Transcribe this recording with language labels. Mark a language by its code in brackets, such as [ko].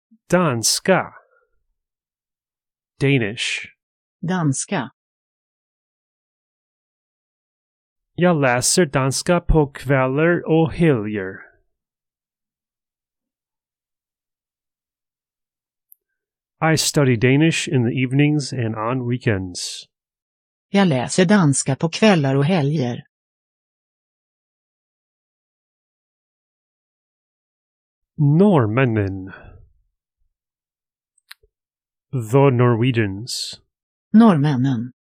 [sv] Danska. Danish. Danska. Jag läser danska på kvällar och helger. [en] I study Danish in the evenings and on weekends. [sv] Jag läser danska på kvällar och helger. Norrmännen. [en] The Norwegians. [sv] Norrmännen.